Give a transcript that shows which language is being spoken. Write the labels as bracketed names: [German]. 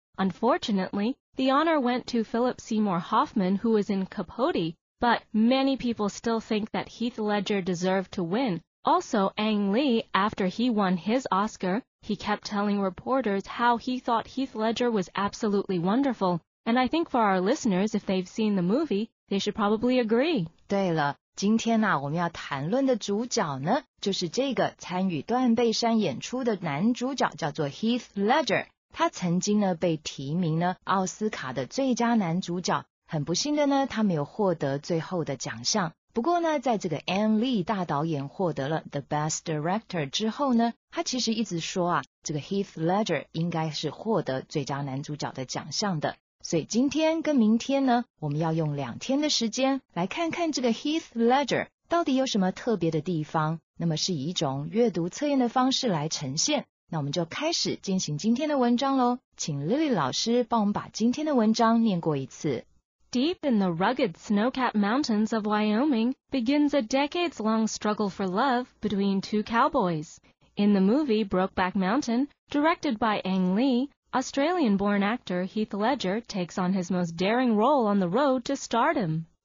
[English] Unfortunately, the honor went to Philip Seymour Hoffman, who was in Capote, but many people still think that Heath Ledger deserved to win. Also, Ang Lee, after he won his Oscar, he kept telling reporters how he thought Heath Ledger was absolutely wonderful. And I think for our listeners, if they've seen the movie, they should probably agree. [Chinese] 对了，今天啊，我们要谈论的主角呢，就是这个参与断背山演出的男主角，叫做 Heath Ledger。他曾经呢被提名呢奥斯卡的最佳男主角，很不幸的呢，他没有获得最后的奖项。不过呢，在这个 Ang Lee 大导演获得了 The Best Director 之后呢，他其实一直说啊，这个 Heath Ledger 应该是获得最佳男主角的奖项的。所以今天跟明天呢，我们要用两天的时间来看看这个 Heath Ledger 到底有什么特别的地方。那么是以一种阅读测验的方式来呈现。那我们就开始进行今天的文章咯。请 Lily 老师帮我们把今天的文章念过一次。 [English] Deep in the rugged snow-capped mountains of Wyoming begins a decades-long struggle for love between two cowboys. In the movie Brokeback Mountain, directed by Ang Lee, Australian-born actor Heath Ledger takes on his most daring role on the road to stardom.